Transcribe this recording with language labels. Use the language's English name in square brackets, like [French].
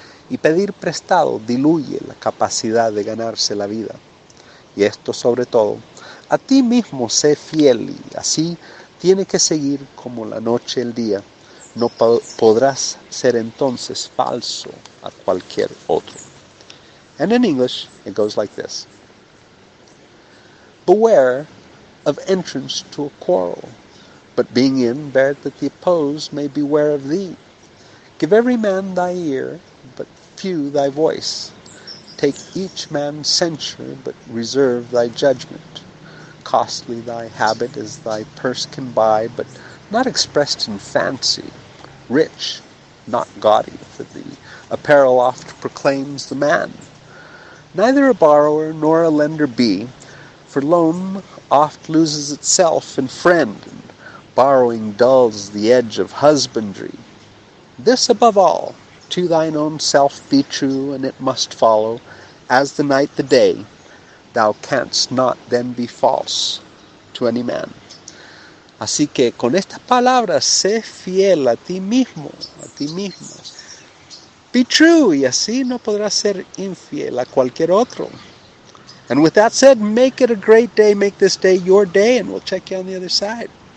[Spanish] Y pedir prestado diluye la capacidad de ganarse la vida. Y esto sobre todo, a ti mismo sé fiel y así tiene que seguir como la noche el día. No podrás ser entonces falso a cualquier otro. [English] And in English, it goes like this. Beware of entrance to a quarrel, but being in, bear that the opposed may beware of thee. Give every man thy ear, but few thy voice. Take each man's censure, but reserve thy judgment. Costly thy habit as thy purse can buy, but not expressed in fancy. Rich, not gaudy, for the apparel oft proclaims the man. Neither a borrower nor a lender be, for loan oft loses itself in friend, and borrowing dulls the edge of husbandry. This above all, to thine own self be true, and it must follow, as the night the day, thou canst not then be false to any man. [Spanish] Así que con estas palabras, sé fiel a ti mismo, a ti mismo. [English] Be true, [Spanish] y así no podrás ser infiel a cualquier otro. [English] And with that said, make it a great day, make this day your day, and we'll check you on the other side.